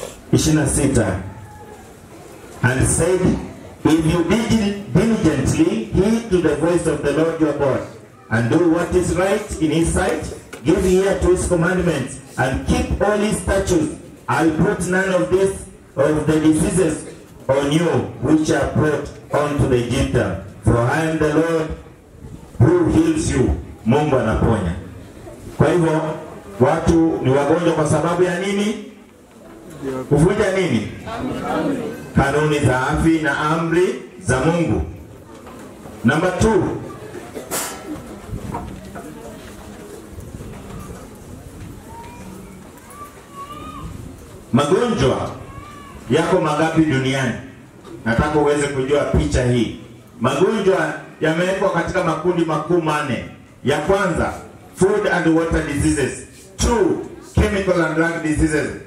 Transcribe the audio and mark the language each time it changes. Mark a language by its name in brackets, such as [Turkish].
[English] 26 and said, if you be diligently heed to the voice of the Lord your God and do what is right in his sight, give ear to his commandments and keep all his statutes, I'll put none of this of the diseases on you which are brought unto the Egyptian, for I am the Lord who heals you. [Swahili] Mungu anaponya. Kwa hivyo watu ni wagonjwa kwa sababu ya nini? Kuvunja nini? Kanuni za afya na amri za Mungu. [English] Number 2. [Swahili] Magonjwa yako magapi duniani? Nataka uweze kujua picha hii. Magonjwa yamewekwa katika makundi makuu manne. Ya kwanza, [English] food and water diseases. 2, chemical and drug diseases.